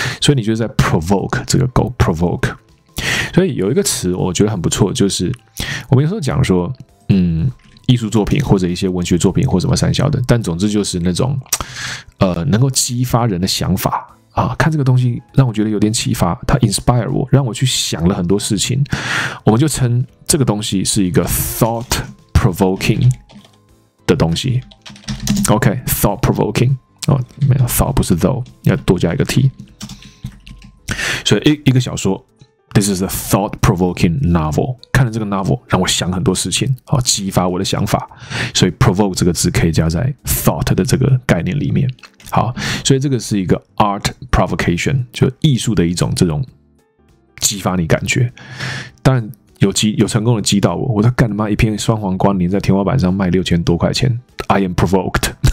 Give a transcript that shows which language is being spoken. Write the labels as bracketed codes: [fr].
[zh] 所以你就是在 provoke 这个狗 provoke。所以有一个词我觉得很不错，就是我们有时候讲说艺术作品或者一些文学作品或什么三小的，但总之就是那种能够激发人的想法啊，看这个东西让我觉得有点启发，它 inspire 我，让我去想了很多事情，我们就称这个东西是一个 [en] thought provoking [zh] 的东西。 OK， thought provoking， 哦，没有 thought 不是 though， 要多加一个 t， 所以一个小说 [en] This is a thought-provoking novel. [zh] 看了这个 novel 让我想很多事情，好，激发我的想法。所以 provoke 这个字可以加在 thought 的这个概念里面。好，所以这个是一个 art provocation， 就艺术的一种这种激发你感觉。但有成功的激到我，我在干什么？一片酸黄瓜粘在天花板上卖6000多块钱。 [en] I am provoked.